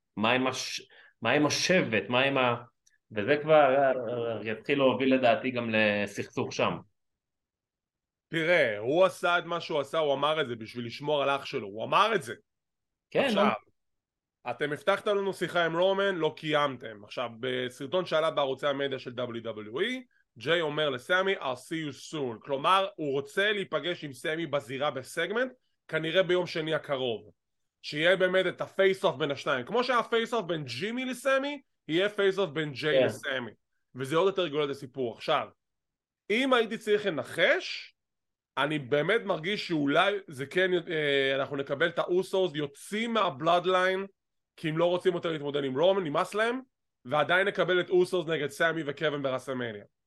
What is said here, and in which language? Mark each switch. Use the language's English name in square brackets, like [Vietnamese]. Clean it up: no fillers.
[Hebrew] מה עם השבט? מה עם ה... וזה כבר יתחיל להוביל לדעתי גם לסכסוך שם. תראה, הוא עשה את מה שהוא עשה, הוא אמר את זה בשביל לשמור על אח שלו, הוא אמר את זה. כן, עכשיו. אתם הבטחתם לנו שיחה עם רומן, לא קיימתם. עכשיו, בסרטון שעלה בערוצי המדיה של WWE, ג'יי אומר לסמי, [English] I'll see you soon. [Hebrew] כלומר, הוא רוצה להיפגש עם סמי בזירה בסגמנט, כנראה ביום שני הקרוב. שיהיה באמת את הפייס-אוף בין השניים. כמו שהפייס-אוף בין ג'ימי לסמי, יהיה פייס-אוף בין ג'יי לסמי. וזה עוד יותר גולד הסיפור. עכשיו, אם הייתי צריך לנחש, אני באמת מרגיש שאולי זה כן, אנחנו נקבל את האוסוס, יוצאים מהבלאדליין, כי הם לא רוצים יותר להתמודד עם רומן, נמאס להם, ועדיין נקבל את אוסוס נגד סמי וקוון ברסלמניה.